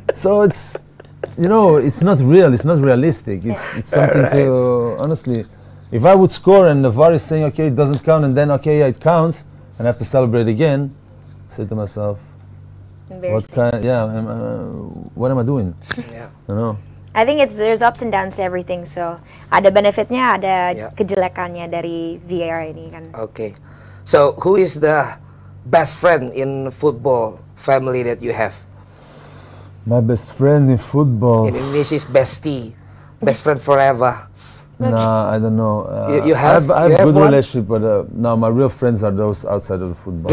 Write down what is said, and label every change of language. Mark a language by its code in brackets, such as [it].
[en] So it's, you know, it's not real. It's not realistic. It's something right. to, honestly, if I would score and the VAR is saying, okay, it doesn't count. And then, okay, yeah, it counts. And I have to celebrate again. I say to myself, what kind? Yeah, what am I doing? Yeah. I don't know. I think there's ups and downs to everything. [id] So, ada benefitnya, ada kejelekannya dari VAR ini kan. [en] Okay. So, who is the best friend in football family that you have? My best friend in football. In Indonesia is bestie, best friend forever. Nah, I don't know. I have a good relationship, but no, my real friends are those outside of the football.